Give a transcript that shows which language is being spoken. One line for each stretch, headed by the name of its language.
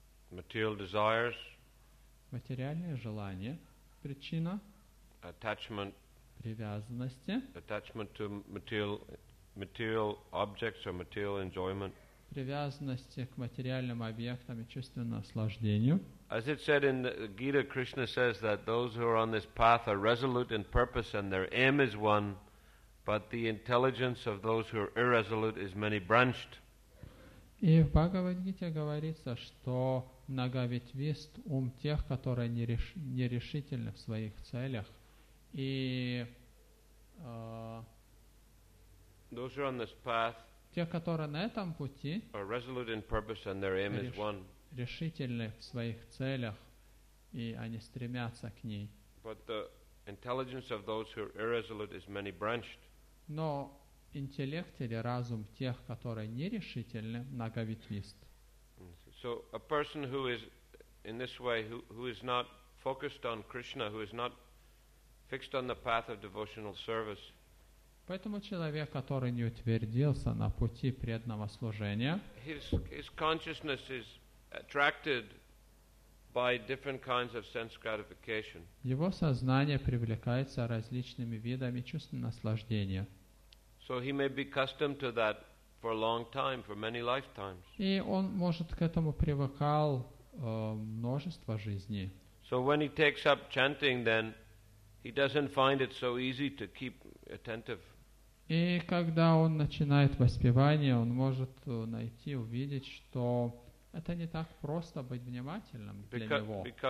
English: Material desires.
Russian: Материальные желания. Причина.
English: Attachment.
Russian: Привязанности.
English: Attachment to material objects or material enjoyment.
Russian: Привязанности к материальным объектам и чувственному наслаждению.
English: As it said in the Gita, Krishna says that those who are on this path are resolute in purpose and their aim is one, but the intelligence of those who are irresolute is many-branched.
Russian: И в Бхагавад-гите говорится, что многоветвист ум тех, которые нерешительны в своих целях. И
English: those who are on this path,
Russian: те, которые на этом пути,
English: are resolute in purpose and their aim is one.
Russian: Решительны в своих целях, и они стремятся к ней.
English: But the intelligence of those who are irresolute is many-branched.
Russian: Но интеллект или разум тех, которые нерешительны, многоветвист.
English: So a person who is in this way, who is not focused on Krishna, who is not fixed on the path of devotional service.
Russian: Поэтому человек, который не утвердился на пути преданного служения,
English: his consciousness is attracted by different kinds of sense gratification.
Russian: Его сознание привлекается различными видами чувственного наслаждения.
English: So he may be accustomed to that for a long time, for many lifetimes.
Russian: И он может к этому привыкал множество жизней.
English: So when he takes up chanting, then he doesn't find it so easy to keep attentive.
Russian: И когда он начинает воспевание, он может найти, увидеть, что это не так просто быть внимательным для него.